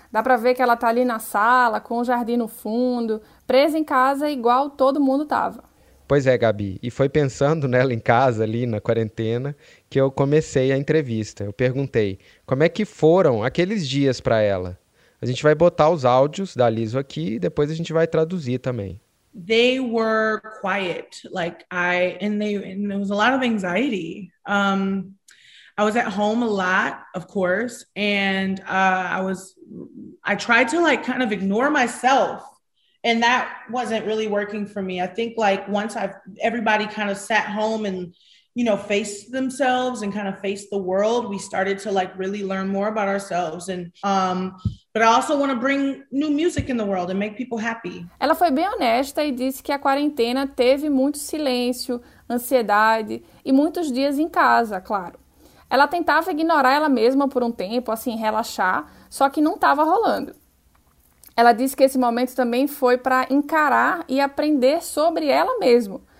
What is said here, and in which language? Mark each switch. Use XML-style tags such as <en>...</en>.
<pt>Dá pra ver que ela tá ali na sala, com o jardim no fundo, presa em casa igual todo mundo tava. Pois é, Gabi, e foi pensando nela em casa ali na quarentena que eu comecei a entrevista. Eu perguntei como é que foram aqueles dias pra ela. A gente vai botar os áudios da Lizzo aqui e depois a gente vai traduzir também.</pt> <en>They were quiet, like and there was a lot of anxiety. I was at home a lot, of course, and I tried to like kind of ignore myself, and that wasn't really working for me. I think like once everybody kind of sat home and, you know, faced themselves and kind of faced the world, we started to like really learn more about ourselves. And but I also want to bring new music in the world and make people happy.</en> <pt>Ela foi bem honesta e disse que a quarentena teve muito silêncio, ansiedade e muitos dias em casa, claro. Ela tentava ignorar ela mesma por um tempo, assim, relaxar, só que não estava rolando. Ela disse que esse momento também foi para encarar e aprender sobre ela mesma.</pt>